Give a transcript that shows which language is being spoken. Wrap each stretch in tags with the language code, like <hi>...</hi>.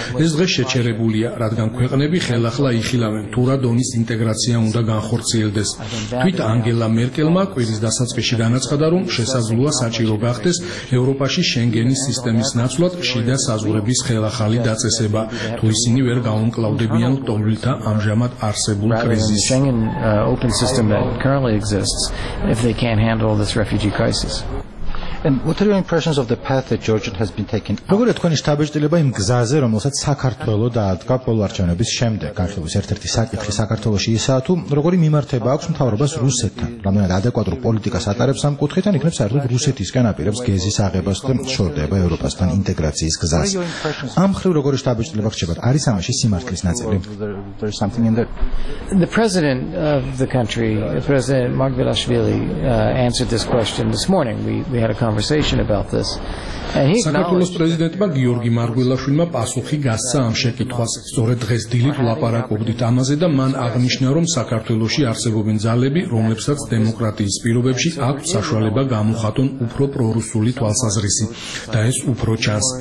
<ka>ეს დღე შეჩერებულია, რადგან ქვეყნები ხელახლა იხილავენ, თუ რა დონის ინტეგრაცია უნდა განხორციელდეს. თვით ანგელა მერკელმა კვირის დასაწყისში განაცხადა, რომ შესაძლოა საჭირო გახდეს ევროპაში შენგენის სისტემის ნაცვლად შიდა საზღვრების ხელახალი დაწესება, თუ ისინი ვერ გაუმკლავდებიან პოლულთა ამჟამად არსებულ კრიზისს.</ka> <en>Schengen open system that currently exists if they can't handle this refugee crisis. And what are your impressions of the path that Georgia has been taking?</en> <ka>როგორ თქვენი შტაბეშტილება იმ გზაზე, რომელსაც საქართველო დაადგა პოლარჩანების შემდეგ? განხილვის ერთ-ერთი საკითხი საქართველოში ისაა, თუ როგორი მიმართება აქვს მთავრობას რუსეთთან? რამდენად ადეკვატურ პოლიტიკას ატარებს ამ კუთხიდან, იქნებ საერთოდ რუსეთისგან აპირებს გეზის აღებას და შორდება ევროპასთან ინტეგრაციის გზას? ამ ხრივ როგორი შტაბეშტილება ხდებათ? არის ამაში სიმართლის ნაწილი?</ka> <en>The president of the country, President Margvelashvili, answered this question this morning. We had a conversation about this.</en> <ka>საქართველოს პრეზიდენტმა გიორგი მარგველაშვილმა პასუხი გასცა ამ შეკითხვას. სწორედ დღეს დილით ვლაპარაკობდით ამაზე და მან აღნიშნა, რომ საქართველოში არსებობენ ძალები, რომლებსაც დემოკრატიის პირობებში აქვთ საშუალება გამოხატონ უფრო პრორუსული თვალსაზრისი და ეს უფრო ჩანს.</ka>